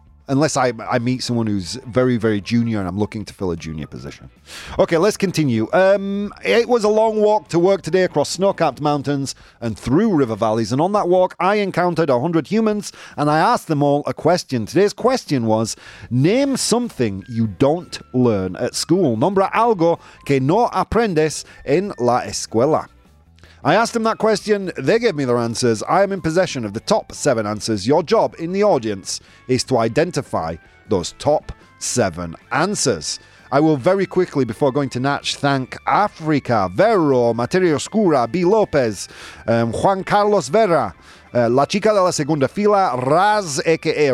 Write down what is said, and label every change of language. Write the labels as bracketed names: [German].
[English] Unless I meet someone who's very, very junior and I'm looking to fill a junior position. Okay, let's continue. It was a long walk to work today across snow-capped mountains and through river valleys. And on that walk, I encountered 100 humans and I asked them all a question. Today's question was, name something you don't learn at school. [Spanish] Nombra algo que no aprendes en la escuela. [English] I asked them that question. They gave me their answers. I am in possession of the top seven answers. Your job in the audience is to identify those top seven answers. I will very quickly, before going to Natch, thank Africa, Vero, Materia Oscura, B. Lopez, Juan Carlos Vera, La Chica de la Segunda Fila, Raz, a.k.a.